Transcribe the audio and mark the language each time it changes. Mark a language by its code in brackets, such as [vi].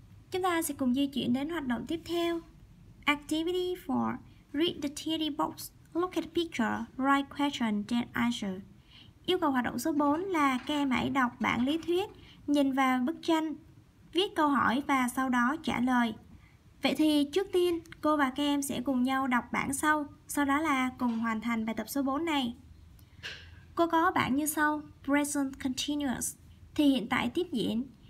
[vi] Chúng ta sẽ cùng di chuyển đến hoạt động tiếp theo. [en] Activity 4. Read the theory box. Look at the picture, write question, then answer. [vi] Yêu cầu hoạt động số 4 là các em hãy đọc bản lý thuyết, nhìn vào bức tranh, viết câu hỏi và sau đó trả lời. Vậy thì trước tiên, cô và các em sẽ cùng nhau đọc bản sau, sau đó là cùng hoàn thành bài tập số 4 này. Cô có bản như sau: Present continuous, thì hiện tại tiếp diễn.